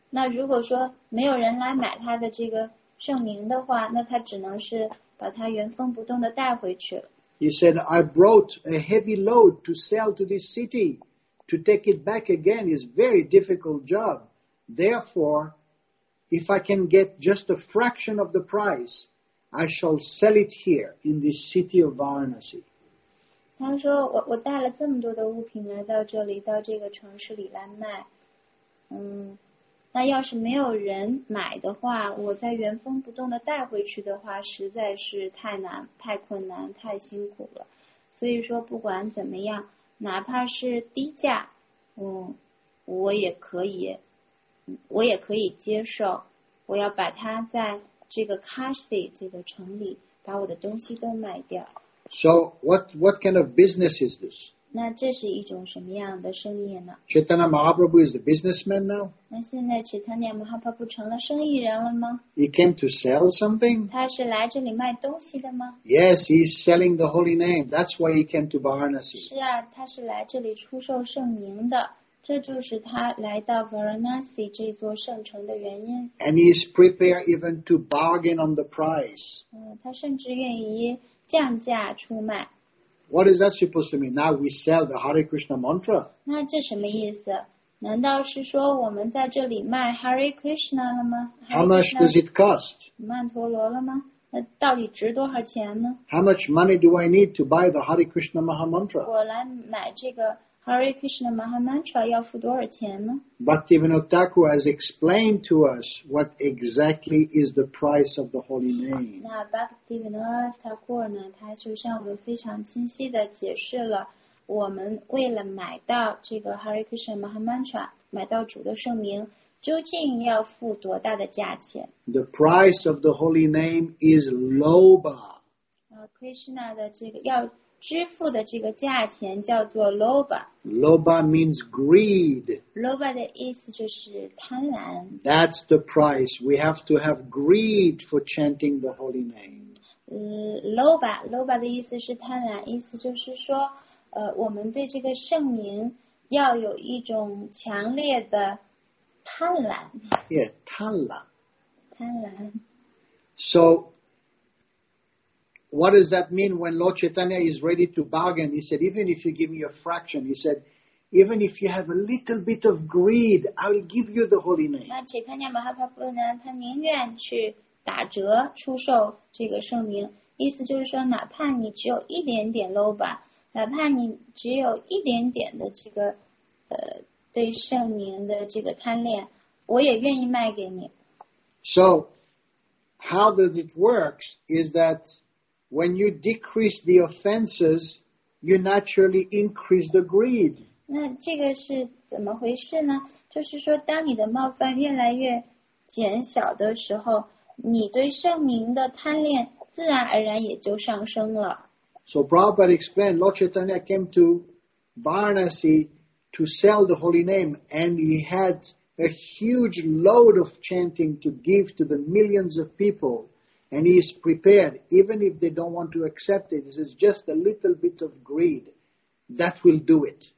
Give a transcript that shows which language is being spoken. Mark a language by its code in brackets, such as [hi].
[zh] 那如果说没有人来买他的这个圣名的话，那他只能是把它原封不动的带回去了。 [en] He said, I brought a heavy load to sell to this city. To take it back again is a very difficult job. Therefore, if I can get just a fraction of the price, I shall sell it here in this city of Varanasi. [zh] 他说我带了这么多的物品来到这里，到这个城市里来卖。那要是没有人买的话，我再原封不动的带回去的话，实在是太难、太困难、太辛苦了。所以说，不管怎么样，哪怕是低价，我也可以接受。我要把它在这个 Kashi 这个城里把我的东西都卖掉。 [en] So what kind of business is this? [zh] 那这是一种什么样的生意呢？ [en] Chaitanya Mahaprabhu is the businessman now. [zh] 那现在 Chaitanya Mahaprabhu 成了生意人了吗？ [en] He came to sell something. [zh] 他是来这里卖东西的吗？ [en] Yes, he's selling the holy name. That's why he came to Varanasi. [zh] 是啊，他是来这里出售圣名的，这就是他来到 Varanasi 这座圣城的原因。 [en] And he is prepared even to bargain on the price. [zh] 他甚至愿意降价出卖。 [en] What is that supposed to mean? Now we sell the Hare Krishna mantra. [zh] 那这什么意思？难道是说我们在这里卖 Hare Krishna 了吗？ [en] How much does it cost? [zh] 曼陀罗了吗？那到底值多少钱呢？ [en] How much money do I need to buy the Hare Krishna maha mantra? [zh] 我来买这个 Hare Krishna maha mantra 要付多少钱呢？ [en] Bhaktivinoda Thakur has explained to us what exactly is the price of the holy name. [zh] 那 Bhaktivinoda Thakur 呢，他就向我们非常清晰地解释了，我们为了买到这个 Hare Krishna maha mantra， 买到主的圣名，究竟要付多大的价钱？ [en] The price of the holy name is loba. [zh] Krishna 的这个要支付的这个价钱叫做 loba. [en] Loba means greed. [zh] Loba 的意思就是贪婪。 [en] That's the price. We have to have greed for chanting the holy name. [zh] Loba 的意思是贪婪，意思就是说，我们对这个圣名要有一种强烈的贪婪。 Yeah, 贪婪。贪婪。 [en] So,What does that mean when Lord Chaitanya is ready to bargain? He said, even if you give me a fraction, he said, even if you have a little bit of greed, I'll give you the holy name. [zh] 那 Chaitanya Mahaprabhu 呢，他宁愿去打折出售这个圣名，意思就是说，哪怕你只有一点点 loba， 哪怕你只有一点点的这个对圣名的这个贪恋，我也愿意卖给你。 [en] So, how does it work is that when you decrease the offenses, you naturally increase the greed. [zh] 那这个是怎么回事呢？就是说，当你的冒犯越来越减少的时候，你对圣名的贪恋自然而然也就上升了。 [en] So Prabhupada explained, Lord Chaitanya came to Varanasi to sell the holy name, and he had a huge load of chanting to give to the millions of people, and he is prepared, even if they don't want to accept it, this is just a little bit of greed, that will do it.